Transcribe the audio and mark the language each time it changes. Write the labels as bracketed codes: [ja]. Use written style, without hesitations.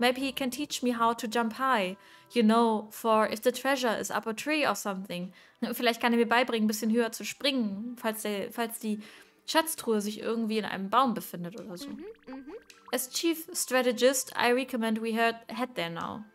[en] Maybe he can teach me how to jump high. You know, for if the treasure is up a tree or something. [de] Vielleicht kann er mir beibringen, ein bisschen höher zu springen, falls die Schatztruhe sich irgendwie in einem Baum befindet oder so. Mm-hmm, mm-hmm. [en] As chief strategist, I recommend we head there now.